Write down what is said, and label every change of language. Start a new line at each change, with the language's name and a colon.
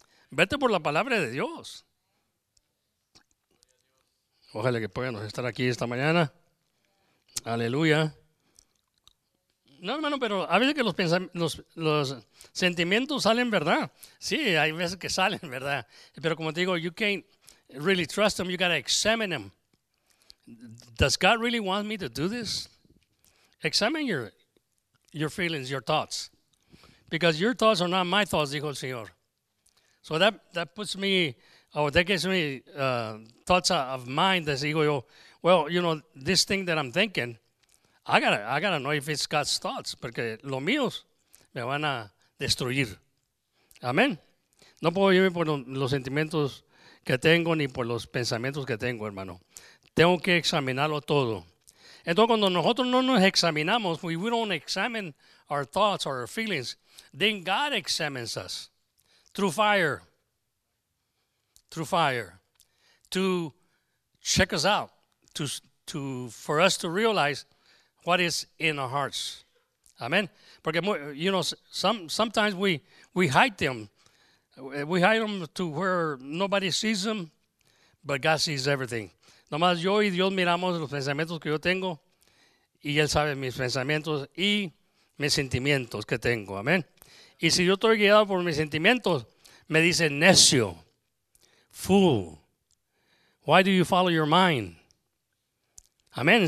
Spanish: Vete por la palabra de Dios. Ojalá que puedan estar aquí esta mañana. Aleluya. No, hermano, pero a veces que los sentimientos salen, ¿verdad? Sí, hay veces que salen, ¿verdad? Pero como te digo,
English: you can't really trust them. You got to examine them. Does God really want me to do this? Examine your feelings, your thoughts. Because your thoughts are not my thoughts,
Spanish: dijo el Señor.
English: So that puts me, or that gives me thoughts of mind. That's ego. Well, you know, this thing that I'm thinking, I gotta know if it's God's thoughts,
Spanish: porque los míos me van a destruir. Amén. No puedo irme por los sentimientos que tengo ni por los pensamientos que tengo, hermano. Tengo que examinarlo todo. Entonces, cuando nosotros no nos examinamos,
English: we don't examine our thoughts or our feelings, then God examines us through fire, to check us out, to for us to realize what is in our hearts. Amen.
Spanish: Porque,
English: you know, sometimes we hide them. We hide them to where nobody sees them, but God sees everything.
Spanish: Nomás yo y Dios miramos los pensamientos que yo tengo, y Él sabe mis pensamientos y mis sentimientos que tengo. Amén. Y si yo estoy guiado por mis sentimientos, me dice necio,
English: fool. Why do you follow your mind?
Spanish: Amén.